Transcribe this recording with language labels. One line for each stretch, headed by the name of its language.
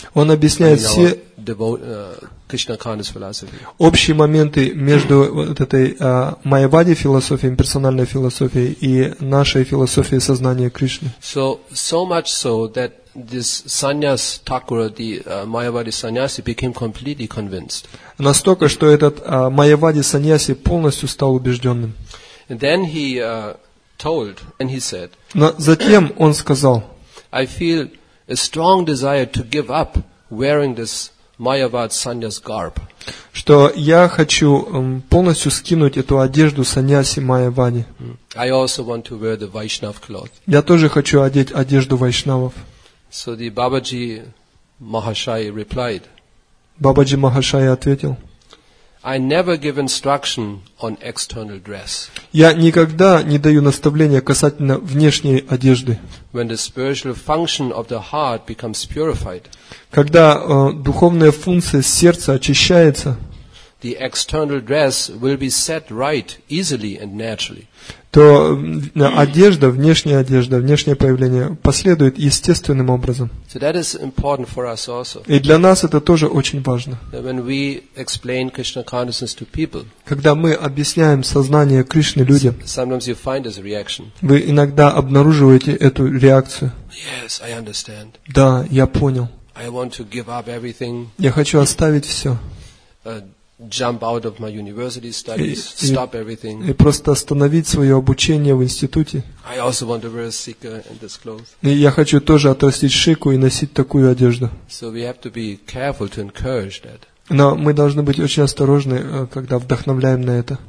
Russian: Он объясняет все Кришна-Канда философии. Общие моменты между вот этой Майявади философией, имперсональной философией и нашей философией сознания Кришны.
English: So much so that this Sannyas Thakura, the Mayavadi Sannyasi, became completely convinced.
Russian: Настолько, что этот Майявади Сannyasi полностью стал убежденным.
English: And then he told, and he said.
Russian: Но затем он сказал.
English: I feel a strong desire to give up wearing this Mayavad Sannyas garb.
Russian: Что я хочу полностью скинуть эту одежду Саньяси Майявади.
English: I also want to wear the Vaishnav cloth.
Russian: Я тоже хочу одеть одежду Вайшнавов.
English: So the Babaji Mahashaya replied.
Russian: Бабаджи Махашая ответил.
English: I never give instruction on external dress.
Russian: Я никогда не даю наставления касательно внешней одежды.
English: When the spiritual function of the heart becomes purified.
Russian: Когда духовная функция сердца очищается.
English: The external dress will be set right easily and naturally.
Russian: То одежда, внешнее появление последует естественным образом.
English: So that is important for us also.
Russian: И для нас это тоже очень важно.
English: That when we explain Krishna consciousness to people,
Russian: когда мы объясняем сознание Кришны людям,
English: sometimes you find this reaction.
Russian: Вы иногда обнаруживаете эту реакцию.
English: Yes, I understand.
Russian: Да, я понял.
English: I want to give up everything.
Russian: Я хочу оставить все.
English: Jump out of my university studies, stop everything.
Russian: И просто остановить свое обучение в институте.
English: I also want to wear a sikha and this clothes.
Russian: И я хочу тоже отрастить шику и носить такую одежду.
English: So we have to be careful to encourage that.
Russian: Но мы должны быть очень осторожны, когда вдохновляем на это.